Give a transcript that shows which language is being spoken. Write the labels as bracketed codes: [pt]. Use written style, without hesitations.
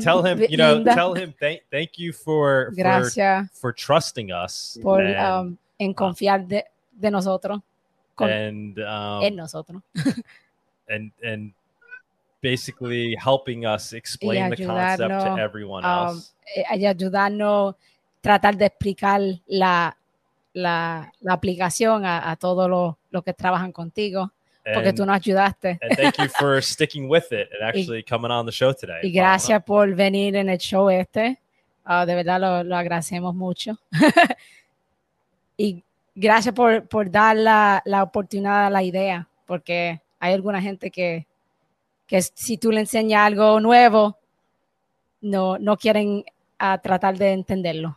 [en] Tell him, you know, tell him thank you for trusting us. [es] Por en confiar de nosotros. En nosotros. [en] and basically helping us explain the concept to everyone else. [es] Y ayudarnos tratar de explicar la aplicación a todos los que trabajan contigo. Porque tú nos ayudaste. [en] And thank you for sticking with it and actually coming on the show today. [es] Y gracias por venir en el show este. De verdad lo agradecemos mucho. Y gracias por dar la oportunidad a la idea. Porque hay alguna gente que si tú le enseñas algo nuevo, no quieren tratar de entenderlo.